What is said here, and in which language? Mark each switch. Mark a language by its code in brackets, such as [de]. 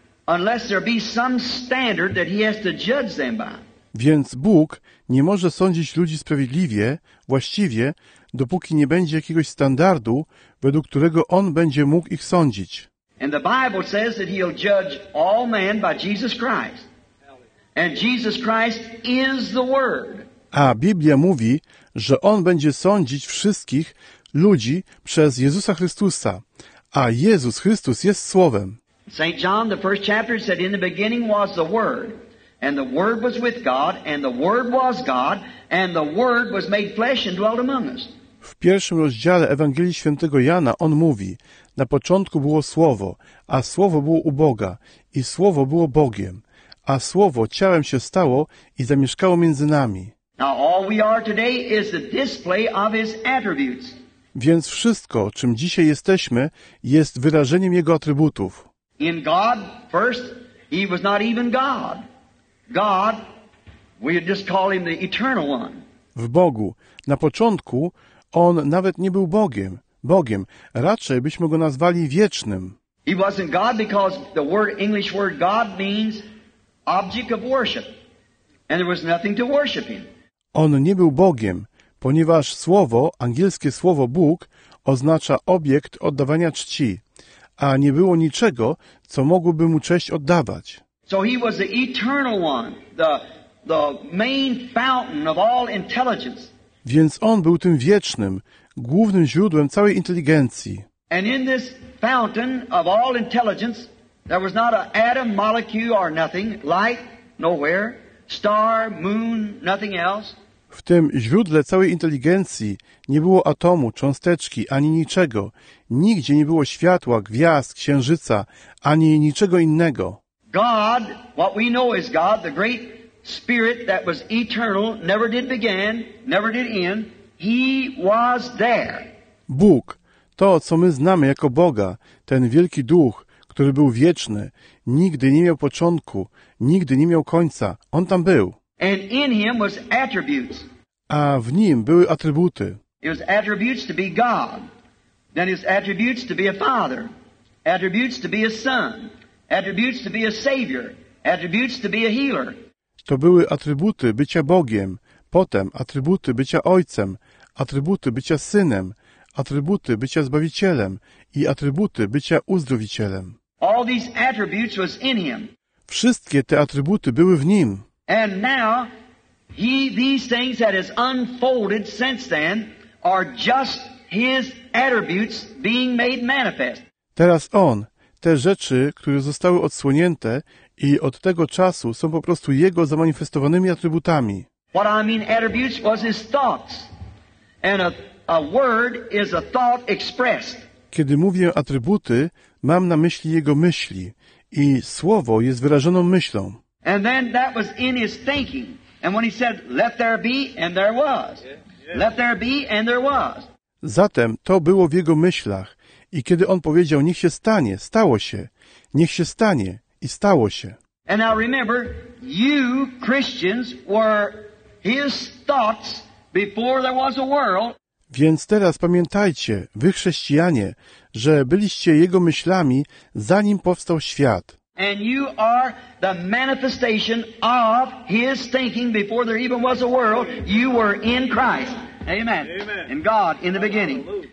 [en] Unless there be some standard that he has to judge them by. [pl] Więc Bóg nie może sądzić ludzi sprawiedliwie, właściwie, dopóki nie będzie jakiegoś standardu, według którego on będzie mógł ich sądzić. [en] And the Bible says that he'll judge all men by Jesus Christ. And Jesus Christ is the Word. [pl] A Biblia mówi, że on będzie sądzić wszystkich ludzi przez Jezusa Chrystusa, a Jezus Chrystus jest Słowem. [en] St. John, the first chapter, said, in the beginning was the Word, and the Word was with God, and the Word was God, and the Word was made flesh and dwelt among us. [pl] W pierwszym rozdziale Ewangelii Świętego Jana on mówi, na początku było Słowo, a Słowo było u Boga, i Słowo było Bogiem, a Słowo ciałem się stało i zamieszkało między nami. [en] Now all we are today is the display of his attributes. [pl] Więc wszystko, czym dzisiaj jesteśmy, jest wyrażeniem jego atrybutów. [en] In God, first, he was not even God. God We'd just call him the Eternal One. [pl] W Bogu. Na początku on nawet nie był Bogiem. Raczej byśmy go nazwali wiecznym. [en] He wasn't God because the word English word God means object of worship, and there was nothing to worship him. [pl] On nie był Bogiem, ponieważ słowo, angielskie słowo Bóg, oznacza obiekt oddawania czci, a nie było niczego, co mogłoby mu cześć oddawać. [en] So he was the eternal one, the main fountain of all intelligence. [pl] Więc on był tym wiecznym, głównym źródłem całej inteligencji. [en] And in this fountain of all intelligence, there was not an atom, molecule, or nothing, light, nowhere, star, moon, nothing else. [pl] W tym źródle całej inteligencji nie było atomu, cząsteczki, ani niczego. Nigdzie nie było światła, gwiazd, księżyca, ani niczego innego. [en] God, what we know is God, the great spirit that was eternal, never did begin, never did end, he was there. [pl] Bóg, to co my znamy jako Boga, ten wielki duch, który był wieczny, nigdy nie miał początku, nigdy nie miał końca, on tam był. [en] And in him was attributes. [pl] A w nim były atrybuty. [en] It was attributes to be God. Then his attributes to be a father. Attributes to be a son. Attributes to be a savior. Attributes to be a healer. [pl] To były atrybuty bycia Bogiem. Potem atrybuty bycia Ojcem. Atrybuty bycia Synem. Atrybuty bycia Zbawicielem. I atrybuty bycia Uzdrowicielem. [en] All these attributes was in him. [pl] Wszystkie te atrybuty były w nim. [en] And now, these things that has unfolded since then are just his attributes being made manifest. [pl] Teraz on, te rzeczy, które zostały odsłonięte i od tego czasu są po prostu jego zamanifestowanymi atrybutami. [en] What I mean attributes was his thoughts. And a word is a thought expressed. [pl] Kiedy mówię atrybuty, mam na myśli jego myśli i słowo jest wyrażoną myślą. [en] And then that was in his thinking. And when he said, let there be, and there was. Let there be, and there was. [pl] Zatem to było w jego myślach. I kiedy on powiedział, niech się stanie, stało się. Niech się stanie, i stało się. [en] And now remember, you Christians were his thoughts before there was a world. [pl] Więc teraz pamiętajcie, wy chrześcijanie, że byliście jego myślami, zanim powstał świat. [en] And you are the manifestation of his thinking before there even was a world. You were in Christ. Amen. [pl] Amen. [en] And God in the beginning.